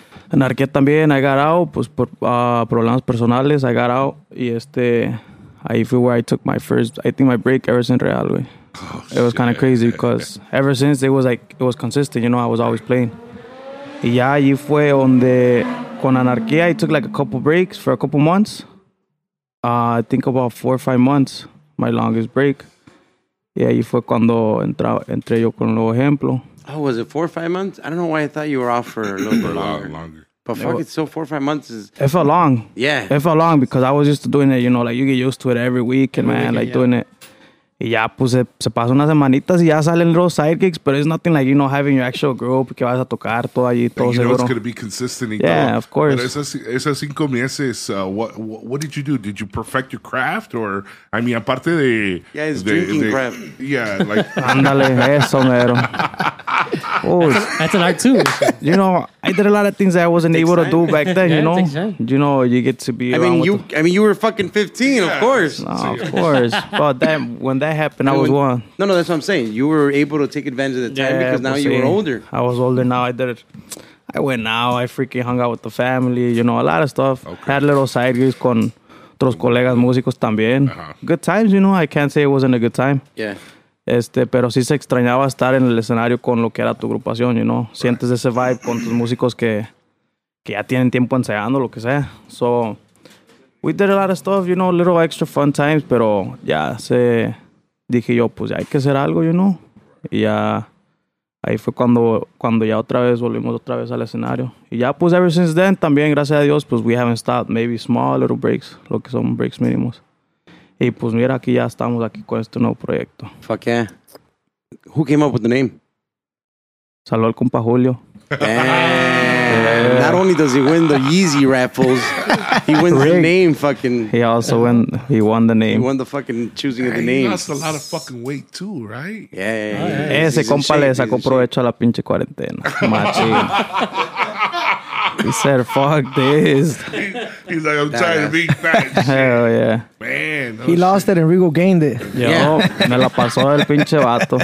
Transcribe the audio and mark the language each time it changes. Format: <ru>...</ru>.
<en>Anarquía también, I got out, pues,</en> <es>por problemas personales,</es> <en>I got out.</en> <es>Y ahí fue</es> <en>where I took my first, I think, my break ever since Real, güey. Oh, it was kind of crazy because ever since, it was like, it was consistent, you know, I was always playing.</en> <es>Y ya allí fue donde, con Anarquía,</es> <en>I took like a couple breaks for a couple months. I think about 4 or 5 months, my longest break.</en> <es>Y allí fue cuando entré yo con Nuevo Ejemplo.</es> <en>Oh, was it 4 or 5 months? I don't know why I thought you were off for a little bit longer. But fuck it, so 4 or 5 months is... It felt long. Yeah. It felt long because I was used to doing it, you know, like you get used to it every week and doing it.</en> <es>Y ya, pues, se pasa unas semanitas y ya salen los sidekicks, pero</es> <en>it's nothing like, you know, having your actual group</en> <es>que vas a tocar todo allí, todo</es> <en>you</en> <es>seguro.</es> <en>You know it's going to be consistent. Yeah,</en> <es>todo.</es> <en>Of course.</en> <es>Pero esas 5 meses,</es> <en>what did you do? Did you perfect your craft? Or, I mean,</en> <es>aparte de...</es> <en>Yeah, it's drinking craft. Yeah, like...</en> <es>Ándale, eso, mero.</es> <en>That's an art, too. You know, I did a lot of things that I wasn't able to do back then, you know? You know, you get to be... I mean, you were fucking 15, yeah. Of course. No, of course. But then, when that happened, I was one. No, that's what I'm saying. You were able to take advantage of the time because now you were older. I was older now. I went out. I freaking hung out with the family, you know, a lot of stuff. Okay. Had little side gigs</en> <es>con otros colegas músicos también.</es> <en>Uh-huh. Good times, you know? I can't say it wasn't a good time. Yeah.</en> <es>Pero sí se extrañaba estar en el escenario con lo que era tu agrupación, you know. Sientes ese vibe con tus músicos que ya tienen tiempo ensayando, lo que sea.</es> <en>So, we did a lot of stuff, you know, little extra fun times,</en> <es>pero ya se... Dije yo, pues ya hay que hacer algo, you know. Y ya... Ahí fue cuando ya otra vez volvimos otra vez al escenario. Y ya, pues,</es> <en>ever since then,</en> <es>también, gracias a Dios, pues,</es> <en>we haven't stopped. Maybe small little breaks,</en> <es>lo que son breaks mínimos. Y pues mira, aquí ya estamos aquí con este nuevo proyecto.</es> <en>Fuck yeah. Who came up with the name?</en> <es>Salud al compa Julio.</es> <en>Damn. Not only does he win the Yeezy raffles, he wins Rick. The name fucking. He also won. He won the name. He won the fucking choosing of the name. He lost a lot of fucking weight too, right? Yeah.</en> <es>Ese compa le sacó provecho a la pinche cuarentena.</es> <en>Machín. He said, fuck this. He's like, I'm tired of being fat. Hell yeah. Man. He lost it and Rigo gained it.</en> <es>Yo, me la pasó el pinche vato.</es>